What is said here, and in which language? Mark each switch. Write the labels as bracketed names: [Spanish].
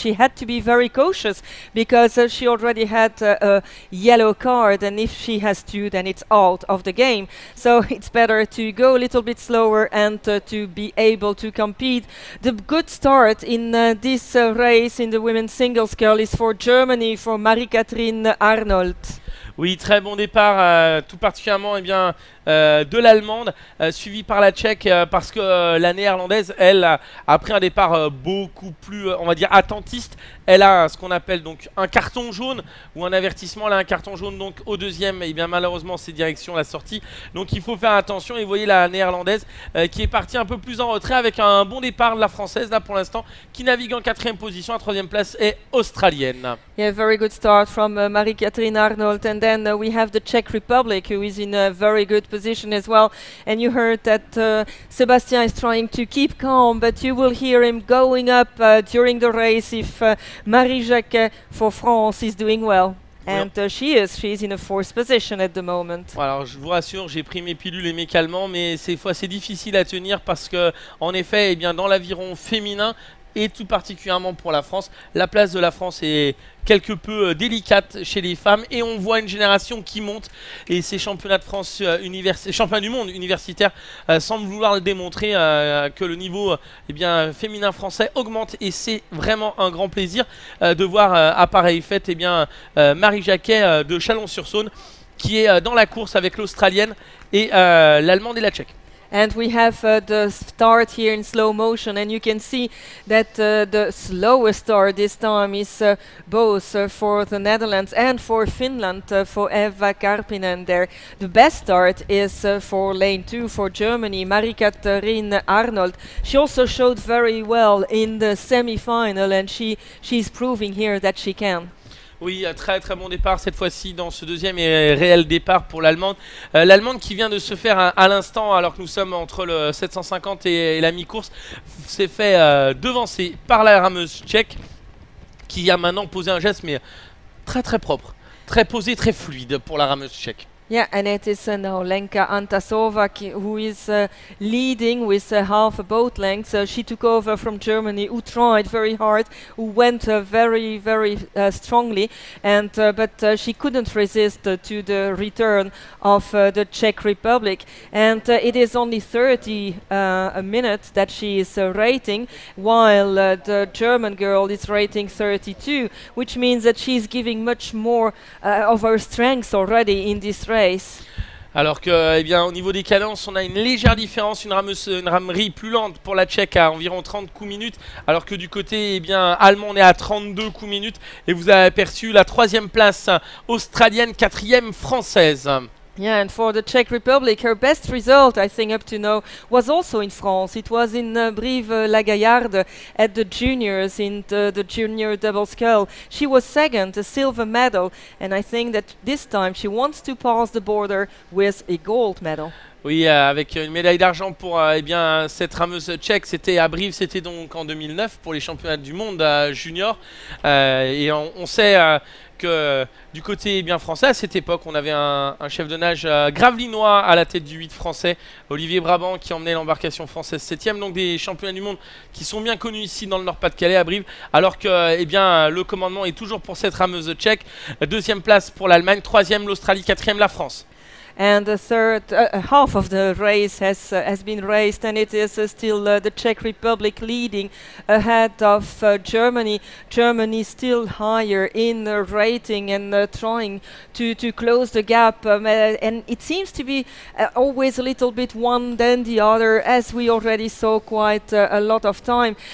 [English] She had to be very cautious because she already had a yellow card, and if she has two, then it's out of the game. So it's better to go a little bit slower and to be able to compete. The good start in this race in the women's singles curl is for Germany, for Marie-Catherine Arnold. [French] Oui, très bon départ, tout particulièrement eh bien, de l'Allemande, suivi par la Tchèque, parce que la Néerlandaise, elle, a pris un départ beaucoup plus, on va dire, attentiste. Elle a ce qu'on appelle donc un carton jaune ou un avertissement. Elle a un carton jaune donc au deuxième, et eh bien malheureusement, c'est direction la sortie. Donc il faut faire attention. Et vous voyez la Néerlandaise qui est partie un peu plus en retrait avec un bon départ de la Française, là pour l'instant, qui navigue en quatrième position. La troisième place est australienne. [English] Yeah, very good start from Marie-Catherine Arnold. And then we have the Czech Republic, who is in a very good position as well. And you heard that Sébastien is trying to keep calm, but you will hear him going up during the race if Marie-Jacques for France is doing well. And she is. She is in a fourth position at the moment. [French] Alors, je vous rassure, j'ai pris mes pilules et mes calmants, mais ces fois, c'est difficile à tenir parce que, en effet, eh bien, dans l'aviron féminin, et tout particulièrement pour la France, la place de la France est quelque peu délicate chez les femmes, et on voit une génération qui monte, et ces championnats de France championnats du monde universitaire semblent vouloir le démontrer, que le niveau eh bien, féminin français augmente, et c'est vraiment un grand plaisir de voir à pareille fête eh bien, Marie Jacquet de Chalon-sur-Saône qui est dans la course avec l'Australienne et l'Allemande et la Tchèque. [English] And we have the start here in slow motion, and you can see that the slowest start this time is both for the Netherlands and for Finland, for Eva Karpinen there. The best start is for lane two for Germany, Marie-Catherine Arnold. She also showed very well in the semi-final, and she's proving here that she can. [French] Oui, très très bon départ cette fois-ci dans ce deuxième et réel départ pour l'Allemande. L'Allemande qui vient de se faire à l'instant, alors que nous sommes entre le 750 et la mi-course, s'est fait devancer par la rameuse tchèque qui a maintenant posé un geste, mais très très propre, très posé, très fluide pour la rameuse tchèque. [English] Yeah, and it is now Lenka Antasova who is leading with half a boat length. She took over from Germany, who tried very hard, who went very, very strongly, and but she couldn't resist to the return of the Czech Republic. And it is only 30 a minute that she is rating, while the German girl is rating 32, which means that she is giving much more of her strength already in this race. [French] Alors que, eh bien, au niveau des cadences, on a une légère différence, une ramerie plus lente pour la Tchèque à environ 30 coups minutes, alors que du côté eh bien, allemand, on est à 32 coups minutes, et vous avez aperçu la troisième place australienne, quatrième française. [English] Yeah, and for the Czech Republic, her best result, I think, up to now, was also in France. It was in Brive-la-Gaillarde at the juniors in the junior double scull. She was second, a silver medal, and I think that this time she wants to pass the border with a gold medal. [French] Oui, avec une médaille d'argent pour eh bien, cette rameuse tchèque. C'était à Brive, c'était donc en 2009 pour les championnats du monde junior. Et on sait que du côté eh bien, français, à cette époque, on avait un chef de nage gravelinois à la tête du 8 français, Olivier Brabant, qui emmenait l'embarcation française 7e. Donc des championnats du monde qui sont bien connus ici dans le Nord-Pas-de-Calais à Brive. Alors que eh bien, le commandement est toujours pour cette rameuse tchèque. Deuxième place pour l'Allemagne, troisième l'Australie, quatrième la France. [English] And the third half of the race has been raced, and it is still the Czech Republic leading ahead of Germany. Germany still higher in the rating and trying to close the gap. And it seems to be always a little bit one than the other, as we already saw quite a lot of time.